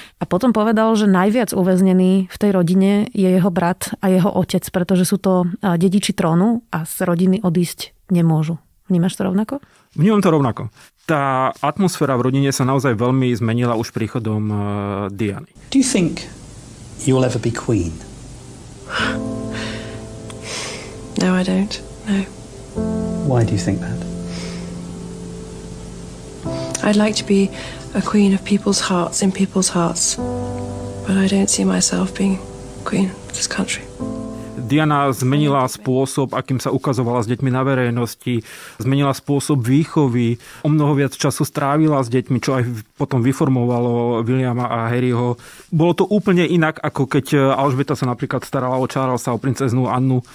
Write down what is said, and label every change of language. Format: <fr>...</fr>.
<sk>A potom povedal, že najviac uväznený v tej rodine je jeho brat a jeho otec, pretože sú to dediči trónu a z rodiny odísť nemôžu. Vnímaš to rovnako? Vnímam to rovnako. Tá atmosféra v rodine sa naozaj veľmi zmenila už príchodom Diany.</sk> <en>Do you think you'll ever be queen? No, I don't. No. Why do you think that? I'd like to be a queen of people's hearts, in people's hearts. but I don't see myself being queen of this country.</en> <sk>Diana zmenila spôsob, akým sa ukazovala s deťmi na verejnosti, zmenila spôsob výchovy, o mnoho viac času strávila s deťmi, čo aj potom vyformovalo Williama a Harryho. Bolo to úplne inak, ako keď Alžbeta sa napríklad starala o Charlesa, o princeznú Annu.</sk>